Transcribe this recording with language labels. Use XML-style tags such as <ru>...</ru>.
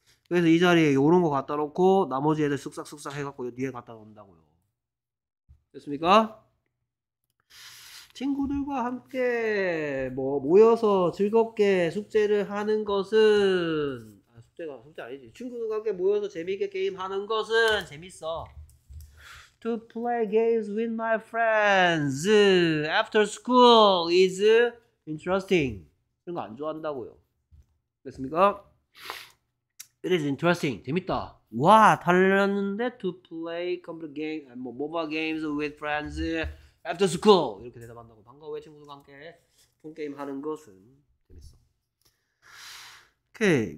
<ko>그래서 이 자리에 이런 거 갖다 놓고 나머지 애들 쓱싹쓱싹 해갖고 뒤에 갖다 놓는다고요. 됐습니까? 친구들과 함께 뭐 모여서 즐겁게 숙제를 하는 것은, 아 숙제가 숙제 아니지, 친구들과 함께 모여서 재미있게 게임하는 것은 재밌어.</ko> <en>To play games with my friends after school is interesting.</en> <ko>이런 거 안 좋아한다고요. 됐습니까?</ko> <en>It is interesting.</en> <ko>재밌다. 와, 달랐는데</ko> <en>to play computer game, 뭐 mobile games with friends after school</en> <ko>이렇게 대답한다고. 반가워요 친구들과 함께 폰 게임 하는 것은 재밌어. 오케이.</ko>